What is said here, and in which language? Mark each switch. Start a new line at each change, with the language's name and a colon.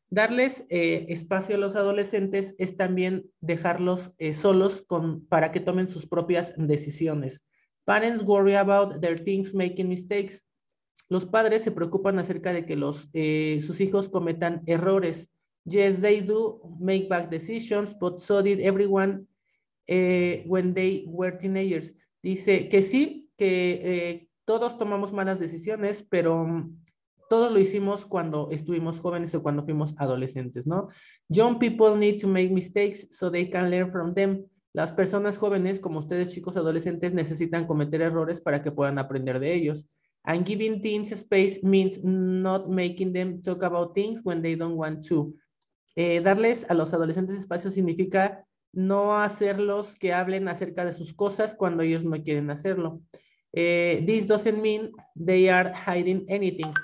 Spanish: Darles espacio a los adolescentes es también dejarlos solos para que tomen sus propias decisiones.
English: Parents worry about their teens making mistakes.
Spanish: Los padres se preocupan acerca de que sus hijos cometan errores.
English: Yes, they do make bad decisions, but so did everyone when they were teenagers.
Spanish: Dice que sí, que todos tomamos malas decisiones, pero todos lo hicimos cuando estuvimos jóvenes o cuando fuimos adolescentes, ¿no?
English: Young people need to make mistakes so they can learn from them.
Spanish: Las personas jóvenes, como ustedes, chicos adolescentes, necesitan cometer errores para que puedan aprender de ellos.
English: And giving teens space means not making them talk about things when they don't want to.
Spanish: Darles a los adolescentes espacio significa no hacerlos que hablen acerca de sus cosas cuando ellos no quieren hacerlo.
English: This doesn't mean they are hiding anything.